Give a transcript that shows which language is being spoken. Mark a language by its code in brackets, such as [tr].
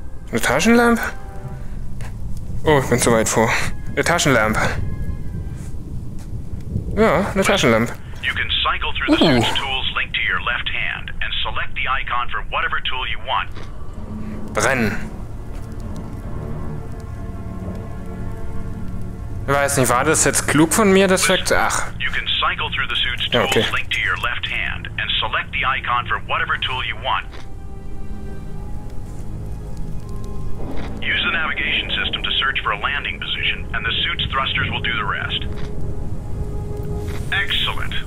[de] Eine Taschenlampe? Oh, ich bin zu weit vor. Eine Taschenlampe. Ja, eine Taschenlampe. [en] You can cycle through the tools linked to your left hand and select the icon for whatever tool you want. [de] Brennen. Ich weiß nicht, war das jetzt klug von mir, das Fakt? Ach. [en] You can cycle through the suit's tools linked to your left hand and select the icon for whatever tool you want. Use the navigation system to search for a landing position and the suit's thrusters will do the rest. Excellent.